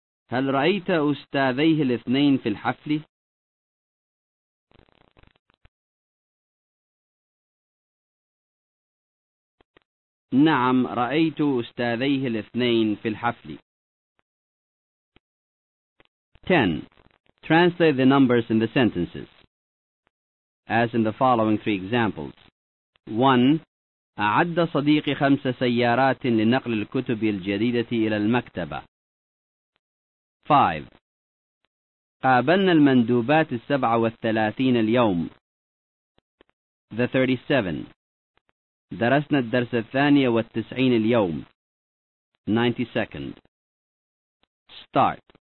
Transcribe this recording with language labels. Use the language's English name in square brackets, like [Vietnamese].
[Arabic] هل رأيت أستاذيه الاثنين في الحفل؟ نعم رأيت أستاذيه الاثنين في الحفل. 10. [English] Translate the numbers in the sentences. As in the following three examples. 1. [Arabic] أعد صديقي 5 سيارات لنقل الكتب الجديدة إلى المكتبة. 5. قابلنا المندوبات 37 اليوم. [English] The 37. [Arabic] درسنا الدرس 92 اليوم. [English] 92nd. Start.